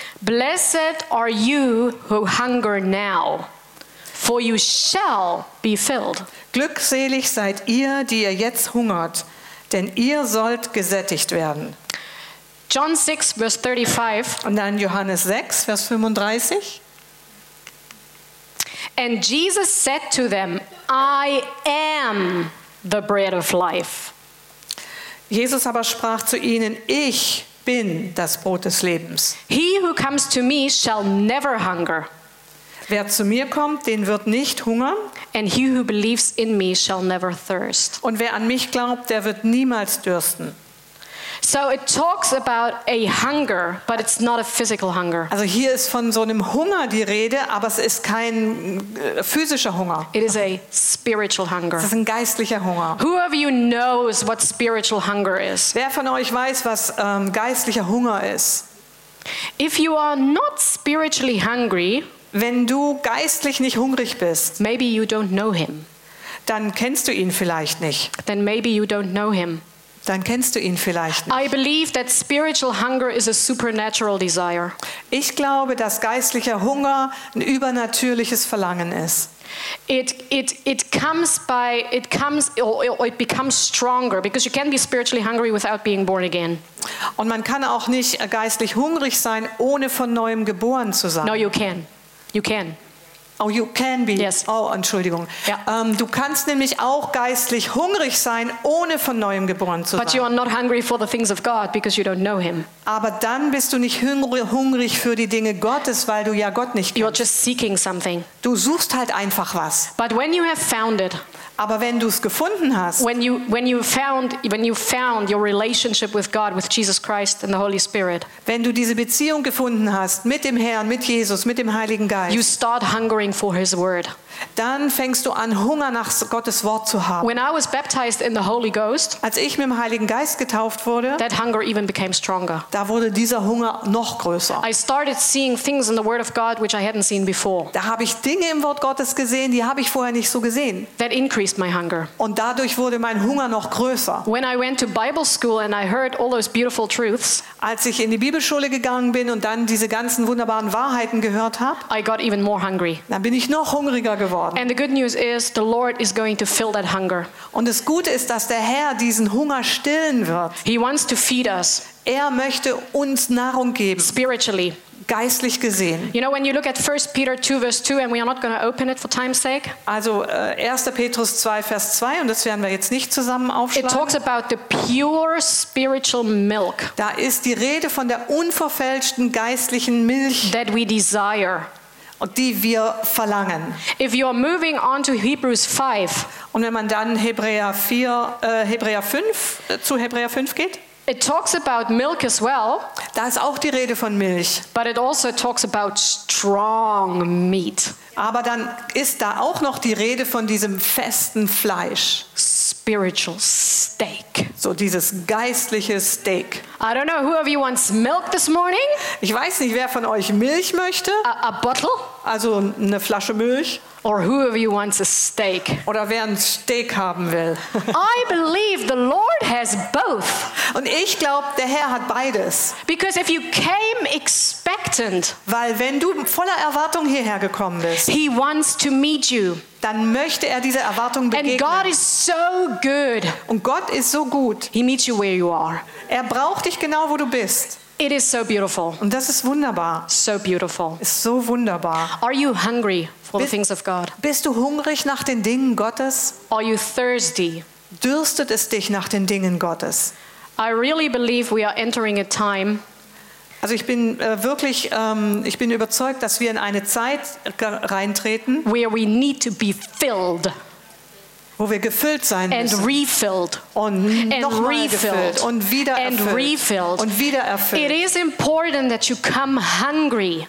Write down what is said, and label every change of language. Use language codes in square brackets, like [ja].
[en] blessed are you who hunger now, for you shall be filled. [de] Glückselig seid ihr, die ihr jetzt hungert, denn ihr sollt gesättigt werden. [en] John 6 verse 35. [de] Und dann Johannes 6 Vers 35. [en] And Jesus said to them, I am the bread of life. [de] Jesus aber sprach zu ihnen, ich bin das Brot des Lebens. [en] He who comes to me shall never hunger. [de] Wer zu mir kommt, den wird nicht hungern. [en] And he who believes in me shall never thirst. [de] Und wer an mich glaubt, der wird niemals dürsten. [en] So it talks about a hunger, but it's not a physical hunger. [de] Also hier ist von so einem Hunger die Rede, aber es ist kein physischer Hunger. [en] It is a spiritual hunger. [de] Es ist ein geistlicher Hunger. [en] Who of you knows what spiritual hunger is? [de] Wer von euch weiß, was geistlicher Hunger ist? [en] If you are not spiritually hungry, [de] wenn du geistlich nicht hungrig bist, [en] maybe you don't know him. [de] Dann kennst du ihn vielleicht nicht. [en] Then maybe you don't know him. [de] Dann kennst du ihn vielleicht nicht. [en] I believe that spiritual hunger is a supernatural desire. [de] Ich glaube, dass geistlicher Hunger ein übernatürliches Verlangen ist. [en] It becomes stronger, because you can't be spiritually hungry without being born again. [de] Und man kann auch nicht geistlich hungrig sein, ohne von neuem geboren zu sein. [en] No, you can. You can. Oh, you can be. Yes. [de] Oh, Entschuldigung. [en] Yeah. [de] Du kannst nämlich auch geistlich hungrig sein, ohne von neuem geboren zu sein. [en] But you are not hungry for the things of God because you don't know him. [de] Aber dann bist du nicht hungrig für die Dinge Gottes, weil du ja Gott nicht kennst. [en] You are just seeking something. [de] Du suchst halt einfach was. [en] But when you have found it, [de] aber wenn du es gefunden hast, [en] when you found your relationship with God, with Jesus Christ and the Holy Spirit, [de] wenn du diese Beziehung gefunden hast mit dem Herrn, mit Jesus, mit dem Heiligen Geist, [en] you start hungering for his word. [de] Dann fängst du an, Hunger nach Gottes Wort zu haben. [en] When I was baptized in the Holy Ghost, [de] als ich mit dem Heiligen Geist getauft wurde, [en] that hunger even became stronger. [de] Da wurde dieser Hunger noch größer. [en] I started seeing things in the word of God which I hadn't seen before. [de] Da habe ich Dinge im Wort Gottes gesehen, die habe ich vorher nicht so gesehen. [en] That increased my hunger. [de] Und dadurch wurde mein Hunger noch größer. [en] When I went to Bible school and I heard all those beautiful truths, [de] als ich in die Bibelschule gegangen bin und dann diese ganzen wunderbaren Wahrheiten gehört habe, [en] I got even more hungry. [de] Dann bin ich noch hungriger geworden. [en] And the good news is, the Lord is going to fill that hunger. [de] Und das Gute ist, dass der Herr diesen Hunger stillen wird. [en] He wants to feed us. [de] Er möchte uns Nahrung geben. [en] Spiritually. [de] Geistlich gesehen. [en] You know, when you look at 1 Peter 2 verse 2, and we are not going to open it for time's sake. [de] Also 1. Petrus 2 Vers 2, und das werden wir jetzt nicht zusammen aufschlagen. [en] It talks about the pure spiritual milk. [de] Da ist die Rede von der unverfälschten geistlichen Milch. [en] That we desire. [de] Die wir verlangen. [en] If you are moving on to Hebrews 5. [de] Und wenn man dann Hebräer 5 geht. [en] It talks about milk as well. [de] Da ist auch die Rede von Milch. [en] But it also talks about strong meat. [de] Aber dann ist da auch noch die Rede von diesem festen Fleisch. [en] Spiritual steak. [de] So dieses geistliche Steak. [en] I don't know who of you wants milk this morning. [de] Ich weiß nicht, wer von euch Milch möchte. [en] A bottle. [de] Also eine Flasche Milch. [en] Or who of you wants a steak. [de] Oder wer ein Steak haben will. [en] I believe the Lord has both. [de] Und ich glaube, der Herr hat beides. [en] Because if you came expectant, [de] weil wenn du voller Erwartung hierher gekommen bist, [en] he wants to meet you. [de] Dann möchte er dieser Erwartung begegnen. [en] And God is so good. [de] Und Gott ist so gut. [en] He meets you where you are. [de] Er braucht dich genau, wo du bist. [en] It is so beautiful. [de] Und das ist wunderbar. [en] So beautiful. [de] Ist so wunderbar. [en] Are you hungry for the things of God? [de] Bist du hungrig nach den Dingen Gottes? [en] Are you thirsty? [de] Dürstet es dich nach den Dingen Gottes? [en] I really believe we are entering a time. [de] Also ich bin wirklich, ich bin überzeugt, dass wir in eine Zeit reintreten, [en] where we need to be filled. [de] wo wir gefüllt sein müssen. [en] And refilled. [de] Und nochmal gefüllt. Und wieder [en] and [de] erfüllt. [en] Refilled. [de] Und wieder erfüllt. [en] It is important that you come hungry